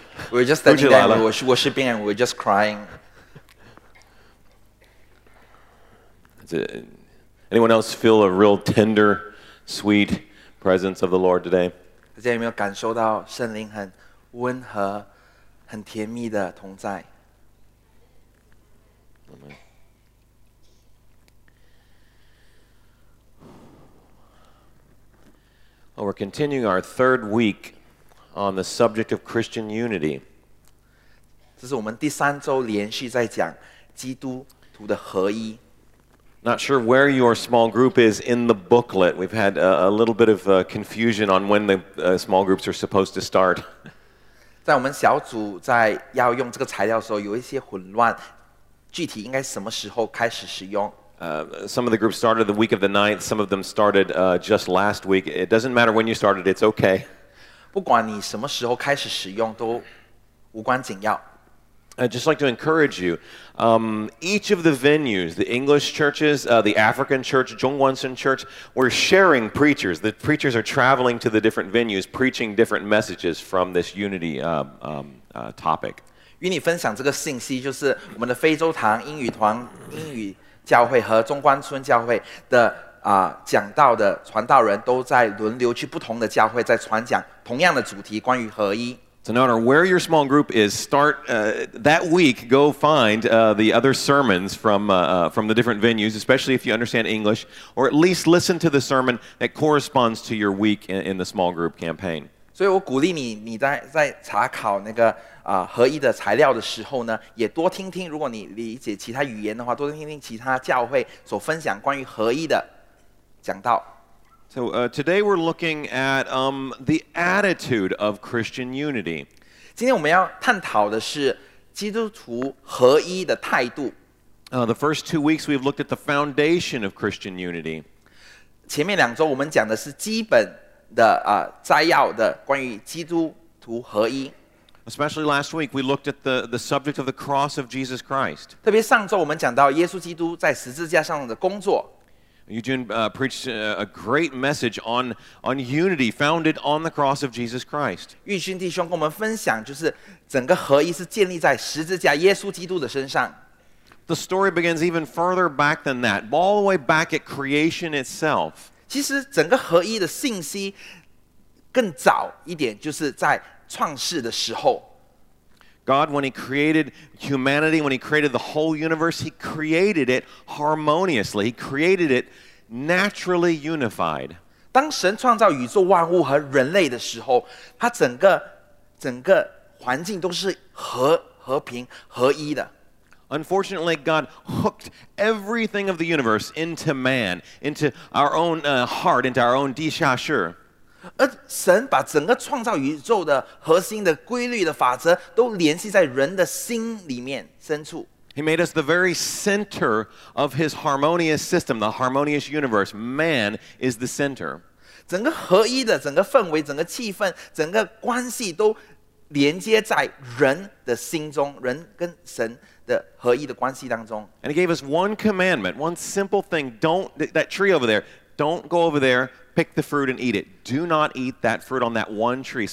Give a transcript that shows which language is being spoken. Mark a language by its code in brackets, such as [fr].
[en] We're just standing there, and we're worshiping, and we're just crying. Anyone else feel a real tender, sweet presence of the Lord today? [zh] 大家有没有感受到圣灵很温和、很甜蜜的同在？ [en] Well, we're continuing our third week. On the subject of Christian unity. [zh] 这是我们第三周连续在讲基督徒的合一。 [en] Not sure where your small group is in the booklet. We've had a little bit of confusion on when the small groups are supposed to start. [zh] 在我们小组在要用这个材料的时候，有一些混乱，具体应该什么时候开始使用？ [en] Some of the groups started the week of the 9th. Some of them started just last week. It doesn't matter when you started. It's okay. [zh] 不管你什么时候开始使用都无关紧要。 [en] I'd just like to encourage you. Each of the venues, the English churches, the African church, Zhongguansheng church, we're sharing preachers. The preachers are traveling to the different venues, preaching different messages from this unity topic. [zh] 与你分享这个信息，就是我们的非洲堂、英语团、英语教会和中关村教会的。讲道的传道人都在轮流去不同的教会，在传讲同样的主题，关于合一。 [en] So no matter where your small group is, start that week. Go find the other sermons from the different venues, especially if you understand English, or at least listen to the sermon that corresponds to your week in the small group campaign. [zh] 所以我鼓励你在查考那个合一的材料的时候呢，也多听听。如果你理解其他语言的话，多听听其他教会所分享关于合一的。 [en] So today we're looking at the attitude of Christian unity. [zh] 今天我们要探讨的是基督徒合一的态度。 [en] The first 2 weeks we've looked at the foundation of Christian unity. [zh] 前面两周我们讲的是基本的摘要的关于基督徒合一。 [en] Especially last week we looked at the subject of the cross of Jesus Christ. [zh] 特别上周我们讲到耶稣基督在十字架上的工作。 [en] Eugene preached a great message on unity founded on the cross of Jesus Christ. [zh] 玉勋弟兄跟我们分享，就是整个合一是建立在十字架耶稣基督的身上。 [en] The story begins even further back than that, all the way back at creation itself. [zh] 其实整个合一的信息更早一点，就是在创世的时候。 [en] God, when He created humanity, when He created the whole universe, He created it harmoniously. He created it naturally unified. [zh] 当神创造宇宙万物和人类的时候，他整个环境都是和平合一的。 [en] Unfortunately, God hooked everything of the universe into man, into our own heart, into our own [zh] 地下室。而神把整个创造宇宙的核心的规律的法则都联系在人的心里面深处。 [en] He made us the very center of His harmonious system, the harmonious universe. Man is the center. [zh] 整个合一的整个氛围、整个气氛、整个关系都连接在人的心中，人跟神的合一的关系当中。 [en] And He gave us one commandment, one simple thing. That tree over there, don't go over there. Pick the fruit and eat it. Do not eat that fruit on that one tree.